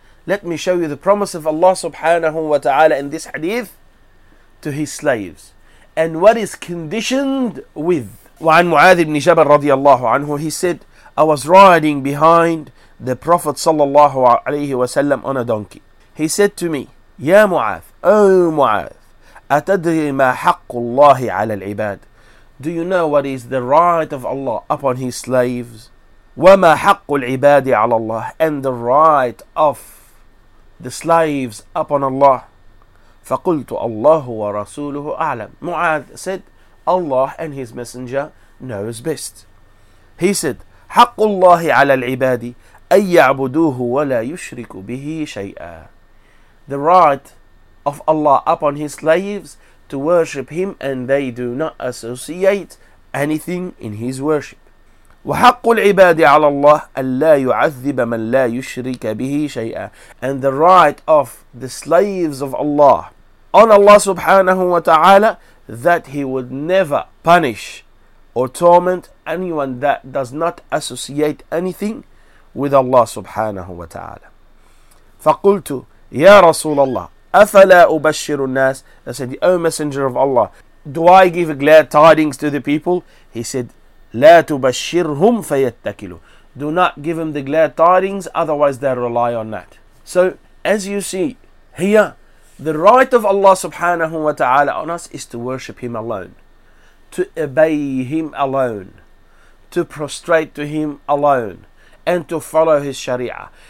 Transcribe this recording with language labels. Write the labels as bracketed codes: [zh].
[en] Let me show you the promise of Allah subhanahu wa ta'ala in this hadith to his slaves. And what is conditioned with. [ar] وعن معاذ بن جبل رضي الله عنه, [en] he said, I was riding behind the Prophet sallallahu alayhi wa sallam on a donkey. He said to me, [ar] يا معاذ, [en] O [ar] معاذ, أتدري ما حق الله على العباد? [en] Do you know what is the right of Allah upon his slaves? [ar] وما حق العباد على الله? [en] And the right of the slaves upon Allah? [ar] فقلت الله ورسوله أعلم. [en] معاذ said, Allah and his messenger knows best. He said, [ar] حق الله على العباد أن يعبدوه ولا يشرك به شيئا. [en] The right of Allah upon his slaves to worship him, and they do not associate anything in his worship. [ar] وحق العباد على الله ألا يعذب من لا يشرك به شيئا. [en] And the right of the slaves of Allah on Allah subhanahu wa ta'ala, that he would never punish or torment anyone that does not associate anything with Allah subhanahu wa ta'ala. [ar] فقلت يا رسول الله أفلا أبشر الناس. [en] I said, O Messenger of Allah, do I give glad tidings to the people? He said, [ar] لا تبشرهم فيتكلوا. [en] Do not give them the glad tidings, otherwise they rely on that. So as you see here, the right of Allah subhanahu wa ta'ala on us is to worship him alone, to obey him alone, to prostrate to him alone, and to follow his sharia.